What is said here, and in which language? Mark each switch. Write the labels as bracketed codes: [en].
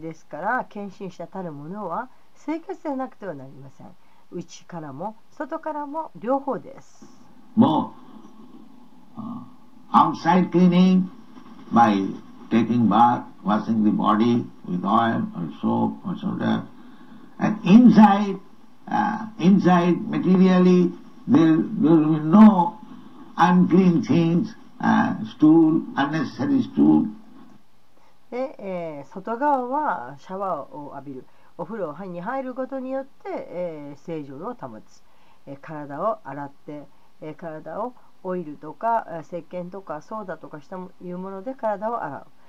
[ja] ですから献身者たる者は清潔でなくてはなりません。内からも外からも両方です。 [en] もう outside cleaning by taking bath, washing the body with oil or soap or something, and inside, inside materially there will be no unclean things, stool, unnecessary stool. [ja] で、外側はシャワーを浴びる。お風呂に入ることによって、清浄を保つ、体を洗って、体をオイルとか石鹸とかソーダとかしたいうもので体を洗う。